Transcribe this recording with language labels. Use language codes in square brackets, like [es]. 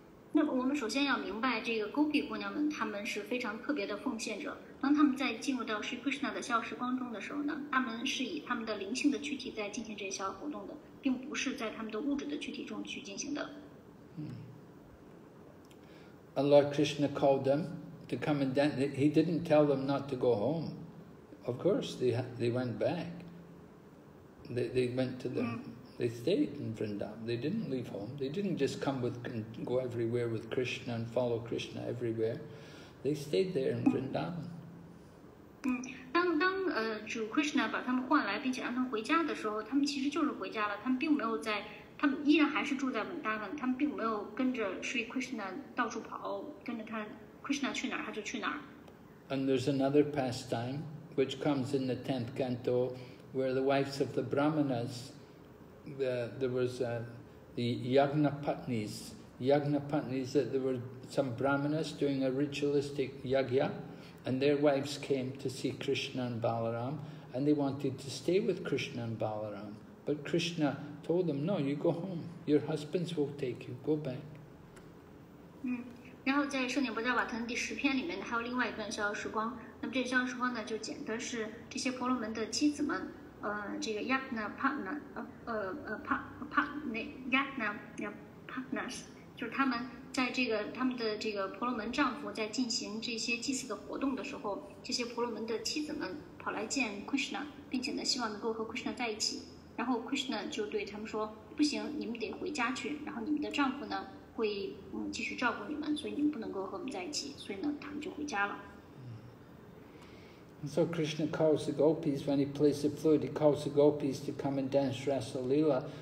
[zh] 那我们首先要明白，这个 Gopi 姑娘们，她们是非常特别的奉献者。当她们在进入到 Sri Krishna 的消时光中的时候呢，她们是以她们的灵性的躯体在进行这些消活动的，并不是在她们的物质的躯体中去进行的。 [en] Allah Krishna called them to come and dance. He didn't tell them not to go home. Of course, they went back. They went to the, they stayed in Vrindavan. They didn't leave home. They didn't just come with, go everywhere with Krishna and follow Krishna everywhere. They stayed there in Vrindavan. [zh] 当主 Krishna 把他们唤来并且让他们回家的时候，他们其实就是回家了。他们并没有在，他们依然还是住在文达文，他们并没有跟着 Sri Krishna 到处跑，跟着他 Krishna 去哪儿他就去哪儿。 [en] And there's another pastime which comes in the 10th canto, where the wives of the brahmanas, there was the yagna patnis, that there were some brahmanas doing a ritualistic yagya, and their wives came to see Krishna and Balaram, and they wanted to stay with Krishna and Balaram, but Krishna told them, no, you go home. Your husbands will take you. Go back. [zh] 然后在圣典薄伽瓦腾第十篇里面还有另外一段逍遥时光。那么这逍遥时光呢，就讲的是这些婆罗门的妻子们，这个 yagna partners， 就是他们在这个他们的这个婆罗门丈夫在进行这些祭祀的活动的时候，这些婆罗门的妻子们跑来见 Krishna， 并且呢希望能够和 Krishna 在一起。然后 Krishna 就对他们说，不行，你们得回家去，然后你们的丈夫呢会继续照顾你们，所以你们不能够和我们在一起，所以呢他们就回家了。 [en] And so Krishna calls the gopis when he plays the flute. He calls the gopis to come and dance Rasa Lila.